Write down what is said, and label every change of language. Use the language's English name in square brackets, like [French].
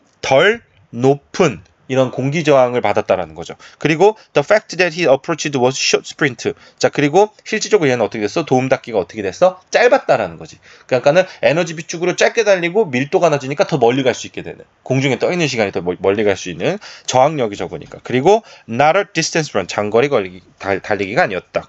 [Korean] 덜 높은 이런 공기 저항을 받았다라는 거죠. 그리고 [English] the fact that he approached was short sprint. [Korean] 자, 그리고 실질적으로 얘는 어떻게 됐어? 도움 닿기가 어떻게 됐어? 짧았다라는 거지. 그러니까는 에너지 비축으로 짧게 달리고 밀도가 낮으니까 더 멀리 갈 수 있게 되는. 공중에 떠 있는 시간이 더 멀리 갈 수 있는 저항력이 적으니까. 그리고 [English] not a distance run, [Korean] 장거리 달리기가 아니었다.